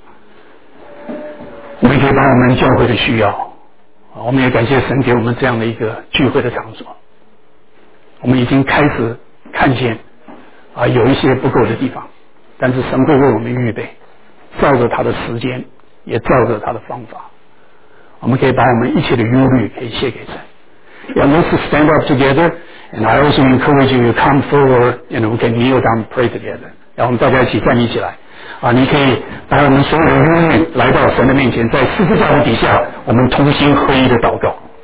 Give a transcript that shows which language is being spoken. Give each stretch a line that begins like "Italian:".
Chinese: 我们可以把我们教会的需要，我们也感谢神给我们这样的一个聚会的场所，我们已经开始看见啊有一些不够的地方，但是神会为我们预备，照着他的时间，也照着他的方法。我们可以把我们一切的忧虑可以卸给神。
English: Yeah, let's stand up together, and I also encourage you to come forward, and we can kneel down and pray together.
Chinese: 然后我们大家一起站立起来啊，你可以把我们所有的忧虑来到神的面前，在十字架的底下，我们同心合一的祷告。